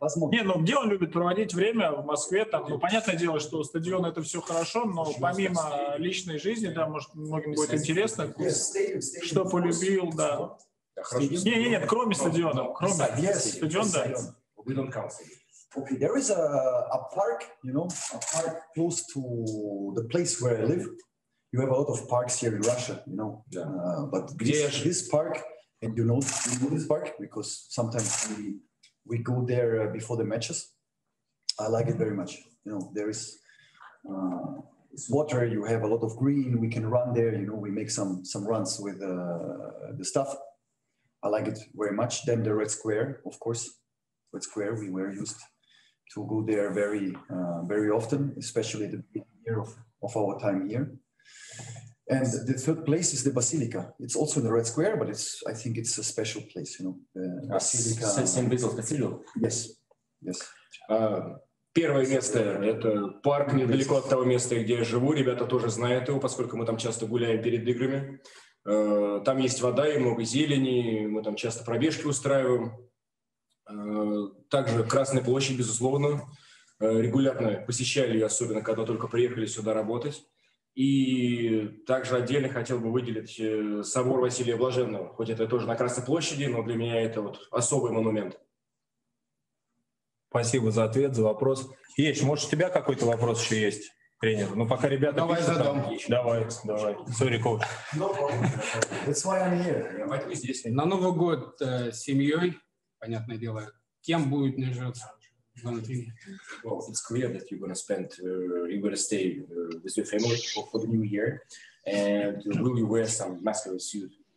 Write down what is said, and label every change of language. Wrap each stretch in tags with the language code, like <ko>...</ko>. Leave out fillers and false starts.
<ru>Не, ну где он любит проводить время? В Москве там. Ну, понятное дело, что стадион — это все хорошо, но помимо личной жизни, да, может, многим будет интересно, что полюбил, да. Нет, кроме стадиона. Кроме стадиона, да.</ru> <en>We don't count. Okay, there is a park, you know, a park close to the place where I live. You have a lot of parks here in Russia, you know. Yeah. But this park, and you know this park, because sometimes we go there before the matches. I like it very much. You know, there is it's water. You have a lot of green. We can run there. You know, we make some runs with the staff. I like it very much. Then the Red Square, of course. Red Square, we were used to go there very, very often, especially the year of our time here. And the third place is the Basilica. It's also in the Red Square, but I think it's a special place, you know. Basilica. Saint Basil's Cathedral. Yes. Yes.</en> <ru>Первое место – это парк недалеко от того места, где я живу. Ребята тоже знают его, поскольку мы там часто гуляем перед играми. Там есть вода и много зелени. Мы там часто пробежки устраиваем. Также Красная площадь, безусловно, регулярно посещали ее, особенно когда только приехали сюда работать. И также отдельно хотел бы выделить собор Василия Блаженного, хоть это тоже на Красной площади, но для меня это вот особый монумент. Спасибо за ответ, за вопрос. Есть, может, у тебя какой-то вопрос еще есть, тренер? Ну, пока ребята давай пишут, задам. Давай.</ru> <en>Sorry, coach. That's why I'm here.</en> <ru>Давайте здесь. На Новый год с семьей. Понятное дело, кем будет наживаться?</ru> <en>Well, it's clear that you're gonna spend, you're gonna stay with your family for the new year, and will you wear some masculine suit?</en>